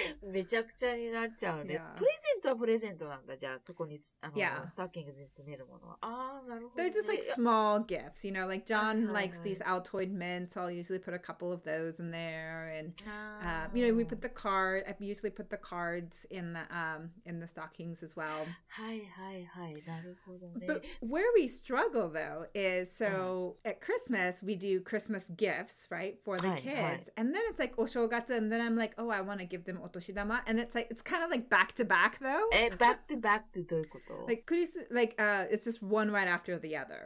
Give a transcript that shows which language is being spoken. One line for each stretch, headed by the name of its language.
Japanese: めちゃくちゃになっちゃうね。プレゼントはプレゼントなんだ。じゃあそこにスタッキングに詰めるものは。ああ、なるほど。
English: They're just like small gifts, you know, like John likes these Altoid mints, so I'll usually put a couple of those in there. And, you know, we put the card, I usually put the cards in the stockings as well.
Japanese: はいはいはい、なるほどね。
English: But where we struggle though is, so at Christmas, we do Christmas gifts, right, for the kids. And then it's like お正月, and then I'm like,Oh, I want to give them otoshidama. And it's like, it's kind of like back to back though. Back to back
Japanese: ってどういうこと?
English: It's just one right after the other.